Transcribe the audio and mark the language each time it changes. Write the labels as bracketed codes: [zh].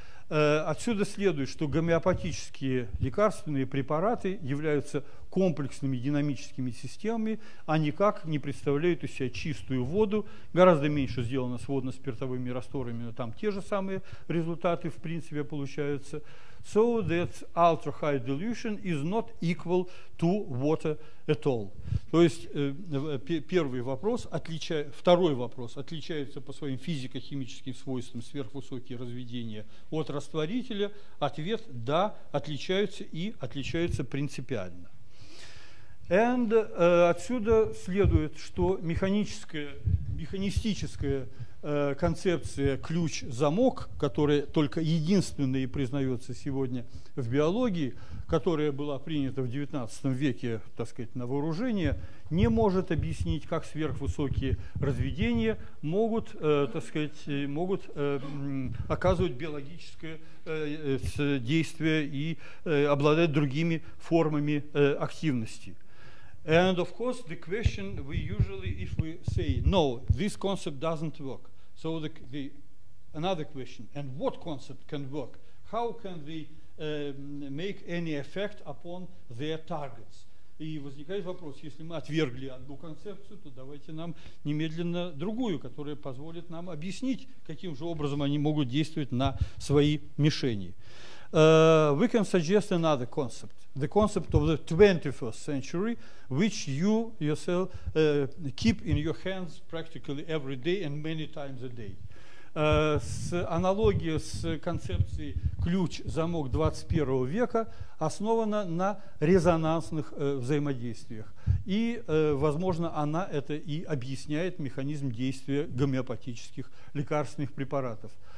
[ru] Отсюда следует, что гомеопатические лекарственные препараты являются комплексными динамическими системами, а никак не представляют из себя чистую воду. Гораздо меньше сделано с водно-спиртовыми растворами, но там те же самые результаты, в принципе, получаются. [en] So that ultra-high dilution is not equal to water at all. [ru] То есть первый вопрос, второй вопрос, отличается по своим физико-химическим свойствам сверхвысокие разведения от растворителя. Ответ – да, отличаются и отличаются принципиально. And отсюда следует, что механистическая концепция ключ-замок, которая только единственная и признается сегодня в биологии, которая была принята в XIX веке, так сказать, на вооружение, не может объяснить, как сверхвысокие разведения могут, так сказать, могут оказывать биологическое действие и обладать другими формами активности. [en] And of course, the question we usually, if we say, no, this concept doesn't work. So the another question, and what concept can work? How can they make any effect upon their targets? [ru] И возникает вопрос, если мы отвергли одну концепцию, то давайте нам немедленно другую, которая позволит нам объяснить, каким же образом они могут действовать на свои мишени. [en] We can suggest another concept, the concept of the 21st century, which you yourself keep in your hands practically every day and many times a day. [ru] С аналогия с концепцией ключ-замок 21 века основана на резонансных взаимодействиях. И, возможно, она это и объясняет механизм действия гомеопатических лекарственных препаратов.